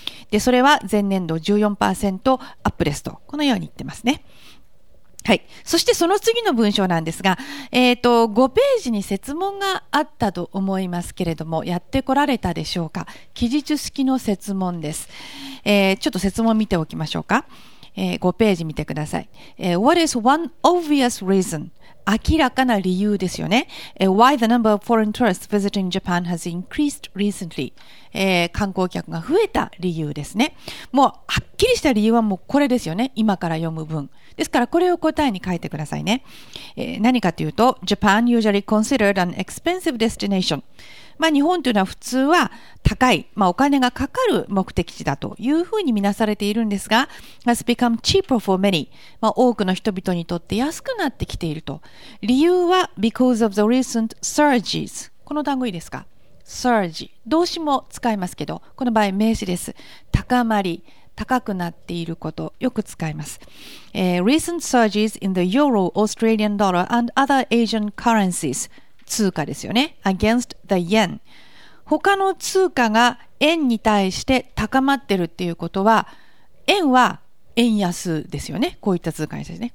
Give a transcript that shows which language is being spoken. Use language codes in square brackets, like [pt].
[ja] でそれは前年度 14% アップですと、このように言ってますね。はい。そしてその次の文章なんですが、5ページに設問があったと思いますけれども、やってこられたでしょうか。記述式の設問です。ちょっと設問見ておきましょうか。 5ページ見てください。 [en] What is one obvious reason? [ja] 明らかな理由ですよね。 [en] Why the number of foreign tourists visiting Japan has increased recently? [ja] 観光客が増えた理由ですね。もう、はっきりした理由はもうこれですよね。今から読む文。ですからこれを答えに書いてくださいね。何かというと、 [en] Japan usually considered an expensive destination。 [ja] まあ日本というのは普通は高い、まあお金がかかる目的地だというふうに見なされているんですが、 [en] has become cheaper for many。 [ja] まあ多くの人々にとって安くなってきていると。理由は [en] because of the recent surges。 [ja] この単語いいですか ？Surge。動詞も使いますけど、この場合名詞です。高まり。高くなっていることよく使います。 [en] Recent surges in the euro, Australian dollar and other Asian currencies [ja] 通貨ですよね。 [en] Against the yen [ja] 他の通貨が円に対して高まってるっていうことは、円は円安ですよね。こういった通貨に対してね。